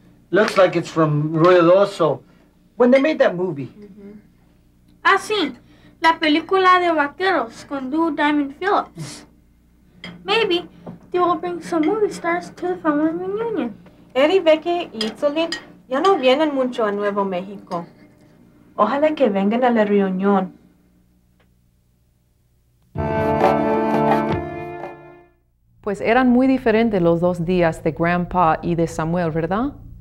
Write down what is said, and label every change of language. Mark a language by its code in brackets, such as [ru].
[en] Looks like it's from Ruidoso, when they made that movie. Mm-hmm. [es] Ah, sí, la película de vaqueros con Lou Diamond Phillips. [en] Maybe they will bring some movie stars to the family reunion. [es] Eddie, Becky y Itzelin ya no vienen mucho a Nuevo México. Ojalá que vengan a la reunión. Pues eran muy diferentes los 2 días de Grandpa y de Samuel, ¿verdad?